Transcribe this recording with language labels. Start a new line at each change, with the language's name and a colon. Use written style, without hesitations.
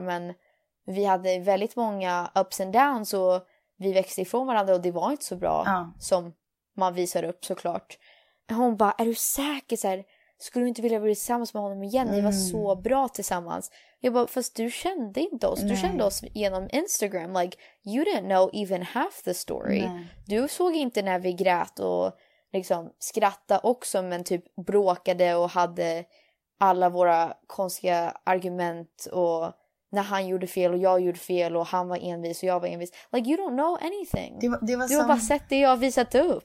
Swedish: Men vi hade väldigt många
English: ups and downs
Swedish: och vi växte ifrån varandra och det var inte så bra som man visar upp, såklart. Hon bara, är du säker? Så här, skulle du inte vilja bli tillsammans med honom igen? Ni var så bra tillsammans. Jag bara, fast du kände inte oss. Nej. Du kände oss genom Instagram.
English: Like, you didn't know even half the story.
Swedish: Nej. Du såg inte när vi grät och liksom skrattade också, men typ bråkade och hade alla våra konstiga argument och när han gjorde fel och jag gjorde fel och han var envis och jag var envis.
English: Like, you don't know anything.
Swedish: Du har bara sett det jag visat upp.